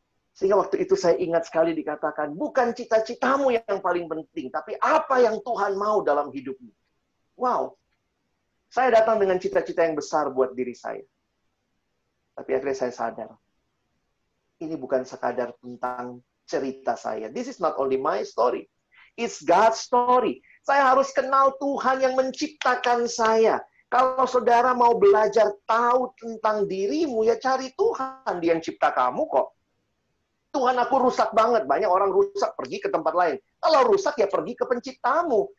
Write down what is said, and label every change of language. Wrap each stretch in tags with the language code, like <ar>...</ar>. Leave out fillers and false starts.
<id>Sehingga waktu itu saya ingat sekali dikatakan, bukan cita-citamu yang paling penting, tapi apa yang Tuhan mau dalam hidupmu. Wow, saya datang dengan cita-cita yang besar buat diri saya. Tapi akhirnya saya sadar, ini bukan sekadar tentang cerita saya.</id> <en>This is not only my story, it's God's story.</en> <id>Saya harus kenal Tuhan yang menciptakan saya. Kalau saudara mau belajar tahu tentang dirimu, ya cari Tuhan, dia yang cipta kamu kok. Tuhan, aku rusak banget. Banyak orang rusak, pergi ke tempat lain. Kalau rusak, ya pergi ke penciptamu.</id>